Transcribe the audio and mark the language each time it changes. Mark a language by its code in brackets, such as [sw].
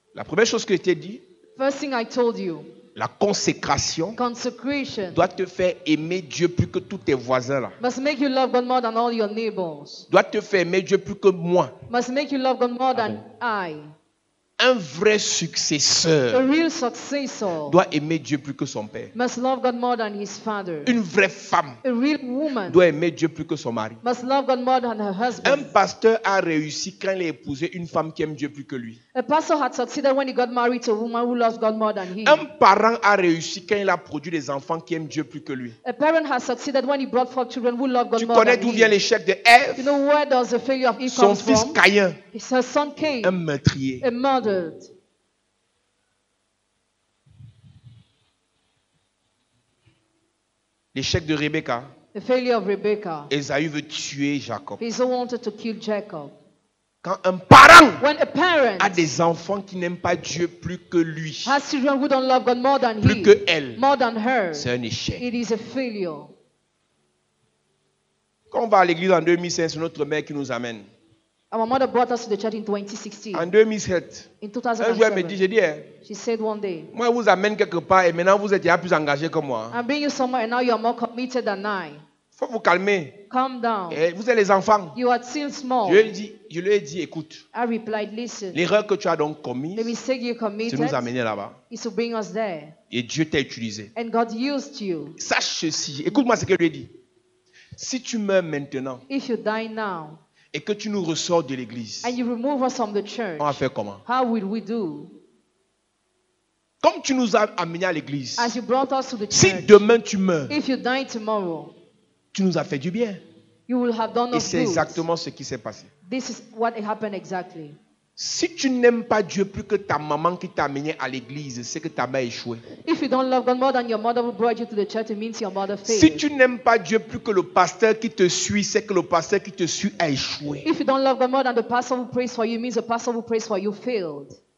[fr] la première chose que je t'ai dit, [en] first thing I told you, [fr] la consécration, [en] consecration [fr] doit te faire aimer Dieu plus que tous tes voisins là. [en] Must make you love God more than all your neighbors. [fr] Doit te faire aimer Dieu plus que moi. [en] Must make you love God more than I. [fr] Un vrai successeur, [en] a real successor, [fr] doit aimer Dieu plus que son père. [en] Must love God more than his father. [fr] Une vraie femme, [en] a real woman, [fr] doit aimer Dieu plus que son mari. [en] Must love God more than her husband. [fr] Un pasteur a réussi quand il a épousé une femme qui aime Dieu plus que lui. [en] A pastor had succeeded when he got married to a woman who loves God more than him. [fr] Un parent a réussi quand il a produit des enfants qui aiment Dieu plus que lui. [en] A parent has succeeded when he brought forth children who love God [fr] tu [en] more than him. [fr] Tu connais d'où vient l'échec de Ève? [en] You know where does the failure of Eve come [fr] from? Son fils Caïn. [en] It's her son Cain. [fr] Un meurtrier. [en] A murdered. [fr] L'échec de Rebecca. [en] The failure of Rebecca. [fr] Esaü veut tuer Jacob. [en] Esaü wanted to kill Jacob. [fr] Quand un parent, [en] when a parent [fr] a des enfants qui n'aiment pas Dieu plus que lui, [en] has children who don't love God more than [fr] plus [en] he, [fr] que elle, [en] more than her, [fr] c'est un échec. [en] It is a failure. [fr] Quand on va à l'église en 2005, c'est notre mère qui nous amène. [en] Our mother brought us to the church in 2016. [fr] En 2007. [en] In 2007. [fr] Un jour, elle me dit, j'ai dit, [en] she said one day, [fr] moi, je vous amène quelque part et maintenant, vous êtes déjà plus engagé que moi. [en] I bring you somewhere and now you are more committed than I. [fr] Faut vous calmer. [en] Calm down. [fr] Et vous êtes les enfants. [en] You are still small. [fr] Je lui ai dit, écoute. [en] I replied, listen. [fr] L'erreur que tu as donc commise, [en] the mistake you committed, [fr] de nous amener là-bas, [en] is to bring us there. [fr] Et Dieu t'a utilisé. [en] And God used you. [fr] Sache ceci. Écoute-moi ce que je lui ai dit. Si tu meurs maintenant, [en] if you die now, [fr] et que tu nous ressors de l'église, [en] and you remove us from the church, [fr] on va faire comment? [en] How will we do? [fr] Comme tu nous as amenés à l'église, [en] as you brought us to the church, [fr] si demain tu meurs, [en] if you die tomorrow, [fr] tu nous as fait du bien. [en] You will have done [fr] et c'est [en] good. [fr] Exactement ce qui s'est passé. [en] This is what happened exactly. [fr] Si tu n'aimes pas Dieu plus que ta maman qui t'a amené à l'église, c'est que ta mère a échoué. [en] If you don't love God more than your mother who brought you to the church, it means your mother failed. [fr] Si tu n'aimes pas Dieu plus que le pasteur qui te suit, c'est que le pasteur qui te suit a échoué. [en] If you don't love God more than the pastor who prays for you, it means the pastor who prays for you failed.